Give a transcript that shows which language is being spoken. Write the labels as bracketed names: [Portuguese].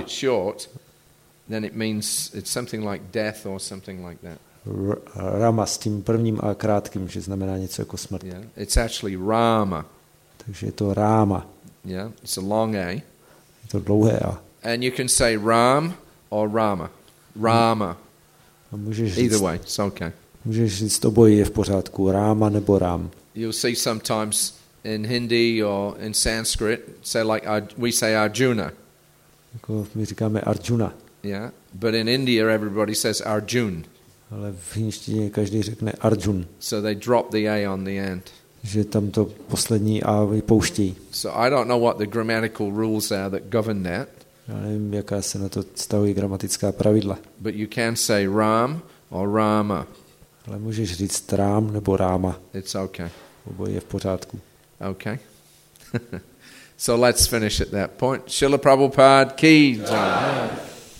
[English] It short, then it means it's something like death or something like that. [Czech] Rama s tím prvním a krátkým, že znamená něco jako smrt. [English] Yeah. It's actually Rama. [Czech] Takže je to Rama. [English] Yeah. It's a long A. [Czech] Je to dlouhé A. [English] And you can say Ram or Rama. Rama. [Czech] A můžeš [English] říct, either way, it's okay. [Czech] Můžeš říct, oboje je v pořádku, Rama nebo Ram. [English] You'll see sometimes in Hindi or in Sanskrit, say like we say Arjuna. [Czech] Jako my říkáme Arjuna. [English] Yeah, but in India everybody says Arjun. [Czech] Ale v hinštině každý řekne Arjun. [English] So they drop the A on the end. [Czech] Že tam to poslední A vypouští. [English] So I don't know what the grammatical rules are that govern that. [Czech] Já nevím, jaká se na to stavují gramatická pravidla. [English] But you can say Ram or Rama. [Czech] Ale můžeš říct Ram nebo Rama. [English] It's okay. [Czech] Oboje je v pořádku. [English] Okay. So let's finish at that point. Srila Prabhupada ki jai.